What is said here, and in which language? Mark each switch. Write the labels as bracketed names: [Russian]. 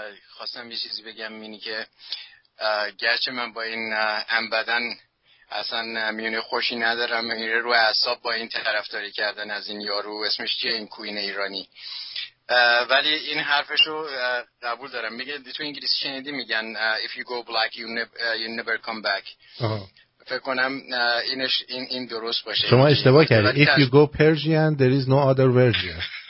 [Persian] خواستم یه چیزی بگم، اینی که گرچه من با این انبدن اصلا میونه خوشی ندارم، میره رو اعصاب با این طرفداری کردن از این یارو اسمش چیه، این کوین ایرانی، ولی این حرفش رو قبول دارم. میگه تو انگلیسی شنیدی میگن [English] if you go black you never come back. [Persian] فکر کنم اینش این درست باشه. شما اشتباه کردید، [English] if you go Persian there is no other version.